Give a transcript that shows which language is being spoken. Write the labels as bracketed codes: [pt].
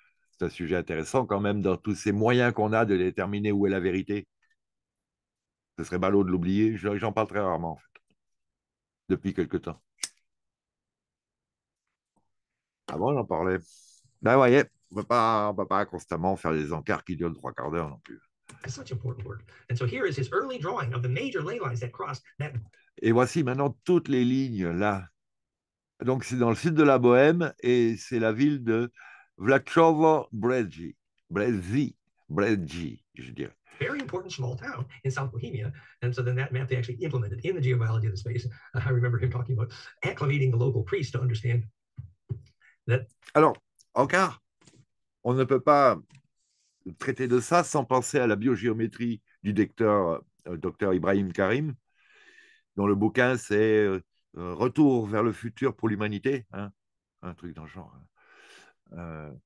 [fr] C'est un sujet intéressant quand même dans tous ces moyens qu'on a de déterminer où est la vérité. Ce serait ballot de l'oublier. J'en parle très rarement, en fait, depuis quelque temps. Avant, j'en parlais. Ben, voyez, on ne peut pas constamment faire des encarts qui durent 3 quarts d'heure non plus. [en] Such important work. And so here is his early drawing of the major ley lines that cross that. [fr] Et voici maintenant toutes les lignes là. Donc, c'est dans le sud de la Bohême et c'est la ville de Vlachovo-Brezhi. Brezhi, je dirais. [en] Very important small town in South Bohemia. And so then that map they actually implemented in the geobiology of the space. I remember him talking about acclimating the local priest to understand that. [fr] Alors, encore, on ne peut pas traiter de ça sans penser à la biogéométrie du docteur Ibrahim Karim, dont le bouquin c'est Retour vers le futur pour l'humanité, hein, un truc dans le genre.